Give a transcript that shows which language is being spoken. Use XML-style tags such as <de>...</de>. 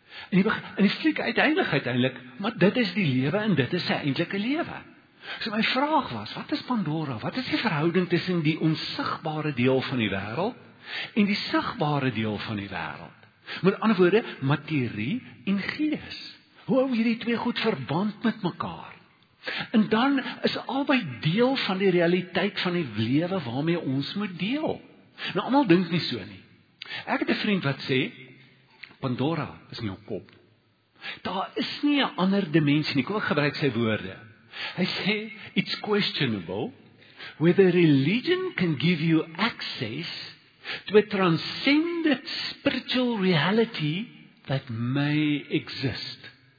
<af>En die fliek uiteindelik, maar dit is die lewe en dit is sy eintlike lewe. So my vraag was, wat is Pandora? Wat is die verhouding tussen die onsigbare deel van die wêreld en die sigbare deel van die wêreld? Met ander woorde, materie en gees. Hoe hou hierdie twee goed verband met mekaar? En dan is albei deel van die realiteit van die lewe waarmee ons moet deel. Nou almal dink nie so nie. Ek het 'n vriend wat sê, Pandora is nie 'n kop. Daar is nie 'n ander dimensie nie. Kom ek gebruik sy woorde.</af> <en>Hy sê, it's questionable whether religion can give you access to a transcendent spiritual reality that may exist.</en>